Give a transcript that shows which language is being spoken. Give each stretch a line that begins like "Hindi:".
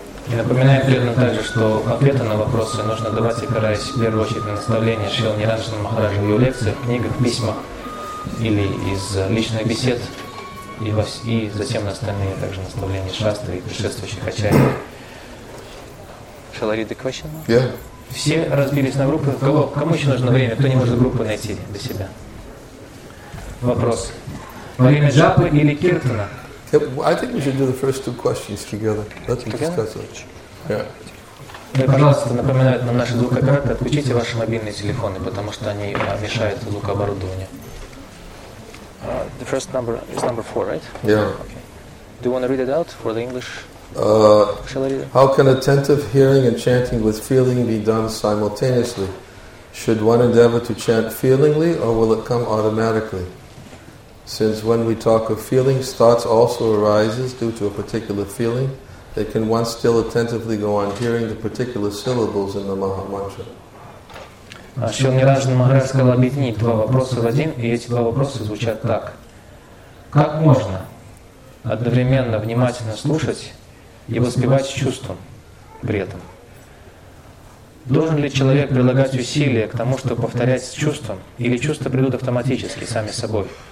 Russian: Напоминаю преданным также, что ответы на вопросы нужно давать, опираясь в первую очередь на наставления Шрилы Ниранджана Махараджа в его лекциях, книгах, письмах или из личных бесед, и затем на остальные также наставления шастры и предшествующих ачарьев.
English: Shall I read the question? Yeah.
Russian: Все разбились на группы. Кому еще нужно время? Кто не может группы найти для себя? Вопрос. Во время джапы или киртана?
English: I think we should do the first two questions together. Let's discuss it. Yeah.
Russian: Пожалуйста, напоминают нам наши звукоаппараты, отключите ваши мобильные телефоны, потому что они мешают звукооборудованию.
English: The first number is number four, right? Yeah. Okay. Do you want to read it out for the English? Shall I read it? How can attentive hearing and chanting with feeling be done simultaneously? Should one endeavor to chant feelingly, or will it come automatically? Since when we talk of feelings, thoughts also arises due to a particular feeling, then can one still attentively go on hearing the particular syllables in the Maha Mantra?
Russian: Шрила Ниранджана Махарадж сказал объединить два вопроса в один, и эти два вопроса звучат так. Как можно одновременно внимательно слушать и воспевать чувством при этом? Должен ли человек прилагать усилия к тому, чтобы повторять с чувством, или чувства придут автоматически, сами собой?